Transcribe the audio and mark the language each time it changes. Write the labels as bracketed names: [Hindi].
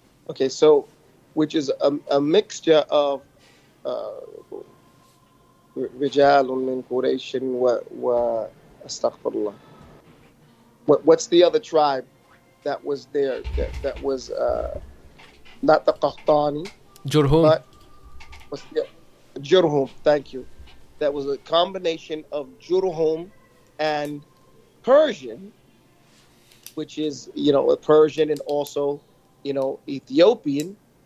[English] Okay, so, which is a mixture of [Arabic] رجال من قريش و استغفر الله. [English] What's the other tribe that was there that was not the Qahtani? Jurhum. Jurhum, thank you. That was a combination of Jurhum and Persian, which is, you know, a Persian and also, you know, Ethiopian.